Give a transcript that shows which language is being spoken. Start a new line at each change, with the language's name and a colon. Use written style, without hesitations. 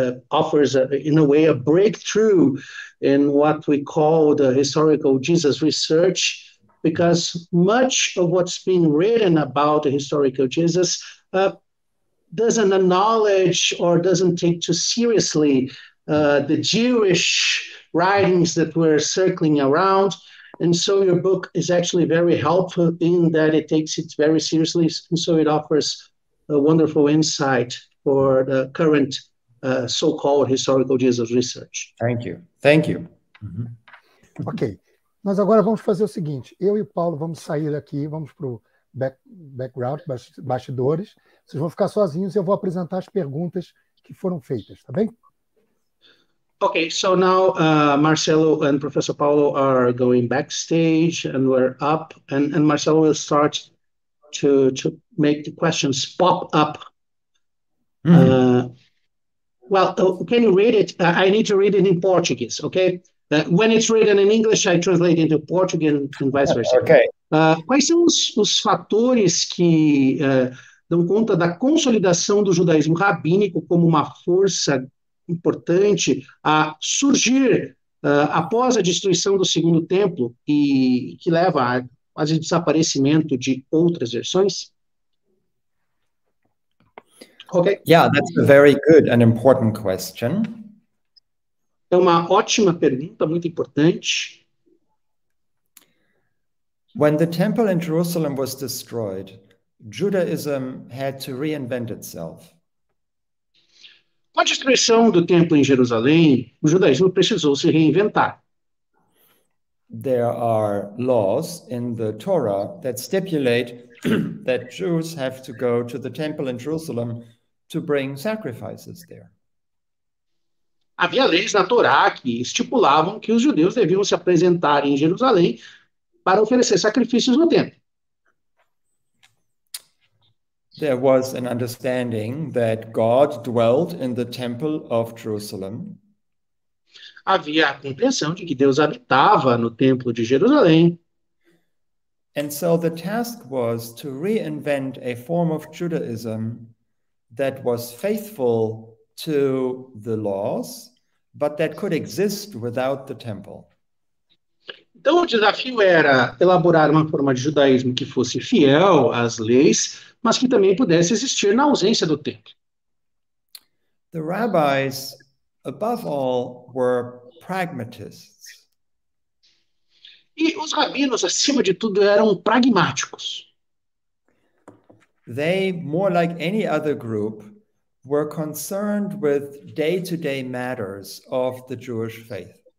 English: offers, in a way, a breakthrough in what we call the historical Jesus research, because much of what's been written about the historical Jesus doesn't acknowledge or doesn't take too seriously the Jewish writings that were circling around. And so your book is actually very helpful in that it takes it very seriously. And so it offers a wonderful insight for the current so-called historical Jesus research. Thank you. Thank you. Ok.
Portuguese: Nós agora vamos fazer o seguinte: eu e o Paulo vamos sair daqui, vamos para o background, bastidores. Vocês vão ficar sozinhos e eu vou apresentar as perguntas que foram feitas, tá bem?
English: Okay, so now Marcelo and Professor Paulo are going backstage, and we're up, and Marcelo will start to make the questions pop up. Well, can you read it? I need to read it in Portuguese, okay? When it's written in English, I translate into Portuguese and vice versa. Ok.
Portuguese: Quais são os fatores que dão conta da consolidação do judaísmo rabínico como uma força importante a surgir após a destruição do Segundo Templo e que leva a quase desaparecimento de outras versões?
English: Ok. Yeah, that's a very good and important question.
Portuguese: É uma ótima pergunta, muito importante.
English: When the temple in Jerusalem was destroyed, Judaism had to reinvent itself.
Portuguese: Com a destruição do templo em Jerusalém, o judaísmo precisou se reinventar.
English: There are laws in the Torah that stipulate that Jews have to go to the temple in Jerusalem to bring sacrifices there.
Portuguese: Havia leis na Torá que estipulavam que os judeus deviam se apresentar em Jerusalém para oferecer sacrifícios no templo.
English: There was an understanding that God dwelt in the temple of Jerusalem.
Portuguese: Havia a compreensão de que Deus habitava no templo de Jerusalém.
English: And so the task was to reinvent a form of Judaism that was faithful to the laws, but that could exist without the temple.
Portuguese: Então o desafio era elaborar uma forma de judaísmo que fosse fiel às leis, mas que também pudesse existir na ausência do templo.
English: The rabbis, above all, were pragmatists.
Portuguese: E os rabinos, acima de tudo, eram pragmáticos.
English: They, more like any other group, were concerned with day-to-day matters of the Jewish faith.